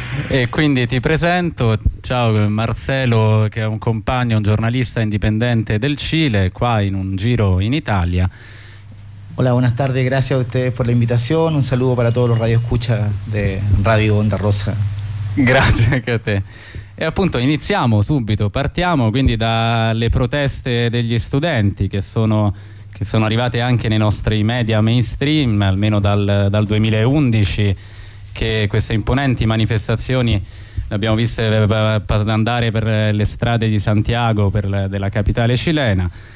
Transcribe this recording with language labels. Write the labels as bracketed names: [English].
[Italian] E quindi ti presento, ciao Marcelo, che è un compagno, un giornalista indipendente del Cile, qua in un giro in Italia. [Spanish] Hola, buenas tardes, gracias a ustedes por la invitación, un saludo para todos los radioescuchas de Radio Onda Rosa. [Italian] Grazie anche a te. E appunto iniziamo subito, partiamo quindi dalle proteste degli studenti che sono arrivate anche nei nostri media mainstream, almeno dal 2011, che queste imponenti manifestazioni le abbiamo viste andare per le strade di Santiago, della capitale cilena.